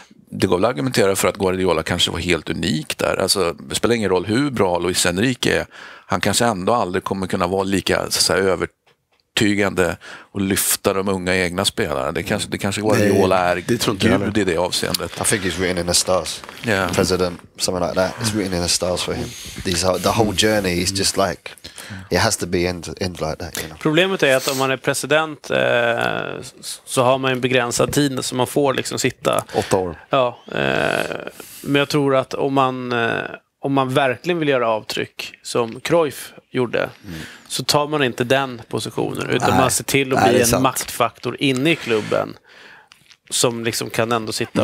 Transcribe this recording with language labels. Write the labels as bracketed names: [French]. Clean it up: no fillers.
[Swedish] Och det går väl att argumentera för att Guardiola kanske var helt unik där. Alltså, det spelar ingen roll hur bra Luis Enrique är. Han kanske ändå aldrig kommer kunna vara lika så att säga, övertygande och lyfta de unga egna spelarna. Det kanske Guardiola är gud i det avseendet. [English] I think he's written in the stars. Yeah. President, something like that. It's written in the stars for him. The whole journey is just like... It has to be end like that, you know. [Swedish] Problemet är att om man är president så har man en begränsad tid som man får liksom sitta 8 år. Ja, men jag tror att om man verkligen vill göra avtryck som Cruyff gjorde, så tar man inte den positionen, utan man ser till att bli en maktfaktor inne i klubben som liksom kan ändå sitta